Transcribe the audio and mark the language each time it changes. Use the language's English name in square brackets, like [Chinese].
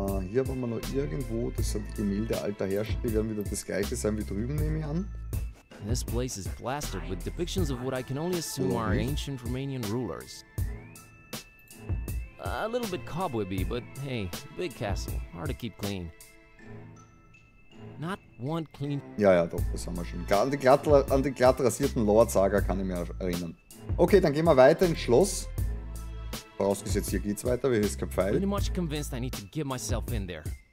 [German] Hier haben wir noch irgendwo, das sind die Gemälde alter Herrscher, die werden wieder das gleiche sein wie drüben, nehme ich an. [English] This place is plastered with depictions of what I can only assume are ancient Romanian rulers. A little bit cobwebby, but hey, big castle, hard to keep clean. Not one clean. [German] Ja, doch, das haben wir schon. An den glatt rasierten Lord-Saga kann ich mich erinnern. Okay, dann gehen wir weiter ins Schloss. Vorausgesetzt, hier geht's weiter, wir haben jetzt kein Pfeil. [English] Pretty much convinced I need to get myself in there.